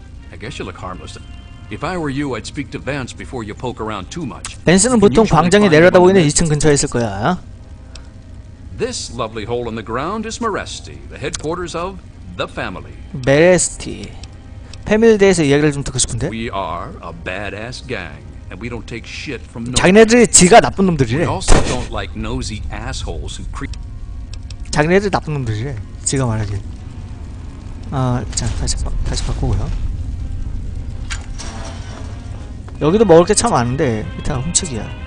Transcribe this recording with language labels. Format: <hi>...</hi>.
<en>I guess you look harmless. If I were you, I'd speak to Vance before you poke around too much.</en> <ko>벤스는 보통 광장에 내려다 보이는 2층 근처에 있을 거야.</ko> <en>This lovely hole in the ground is Maresti, the headquarters of the family. Maresti.</en> <ko>패밀리에 대해서 이야기를 좀 듣고 싶은데.</ko> <en>We are a badass gang. And we don't take shit from no.</en> <ko>자기네들이 지가 나쁜 놈들이래.</ko> <en>We also don't like nosy assholes who creep.</en> <ko>자기네들 나쁜 놈들이래. 지가 말하기. 자, 다시 바꾸고요. 여기도 먹을 게 참 많은데 일단 훔치기야.</ko>